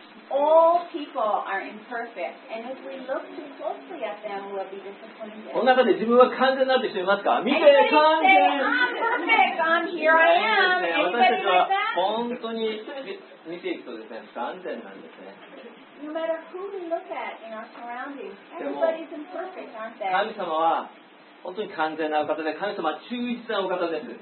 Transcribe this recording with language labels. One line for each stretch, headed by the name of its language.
English: All people are imperfect, and if we look too closely at them, we'll be disappointed.
Japanese: この中で自分は完全なって知りますか？見て完全。
English: Anybody say I'm perfect? I'm here I am. Anybody like that?
Japanese: 私たちは本当に見ていくとですね、不完全なんですね。
English: No matter who we look at in our surroundings, everybody's imperfect, aren't they?
Japanese: 神様は本当に完全なお方で、神様は忠実なお方です。